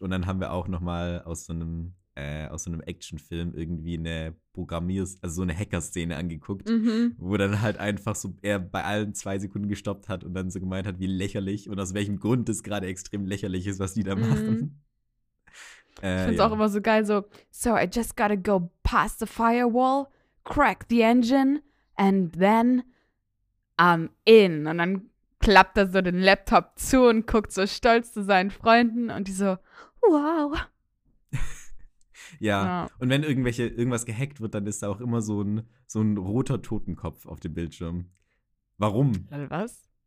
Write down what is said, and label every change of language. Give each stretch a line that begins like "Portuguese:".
German: Und dann haben wir auch noch mal aus so einem Actionfilm irgendwie eine Programmier-, also so eine Hacker-Szene angeguckt, wo dann halt einfach so er bei allen 2 Sekunden gestoppt hat und dann so gemeint hat, wie lächerlich und aus welchem Grund es gerade extrem lächerlich ist, was die da machen. Ich finde es auch Ja. immer so geil, so, so
English: I just gotta go past the firewall, crack the engine, and then I'm in.
German: Und dann klappt er so den Laptop zu und guckt so stolz zu seinen Freunden und die so, wow. Ja, Ja. und wenn irgendwas gehackt wird, dann ist da auch immer so ein roter Totenkopf auf dem Bildschirm. Warum? Was?